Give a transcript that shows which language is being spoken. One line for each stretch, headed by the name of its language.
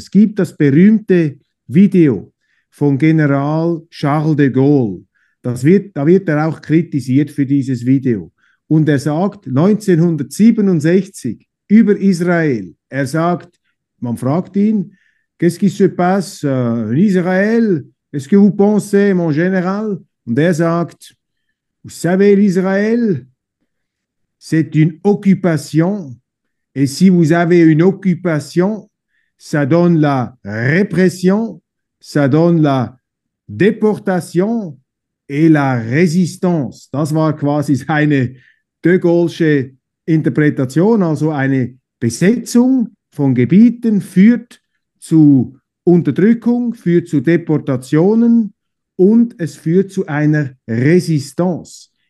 German: Es gibt das berühmte Video von General Charles de Gaulle. Da wird er auch kritisiert für dieses Video. Und er sagt 1967 über Israel, er sagt, man fragt ihn,
French: qu'est-ce qui se passe in Israël? Est-ce que vous pensez, mon général?
German: Und er sagt,
French: vous savez, l'Israël, c'est une occupation. Et si vous avez une occupation, ça donne la répression, ça donne la déportation et la résistance.
German: Das war quasi seine de Gaulle'sche Interpretation, also eine Besetzung von Gebieten führt zu Unterdrückung, führt zu Deportationen und es führt zu einer Résistance.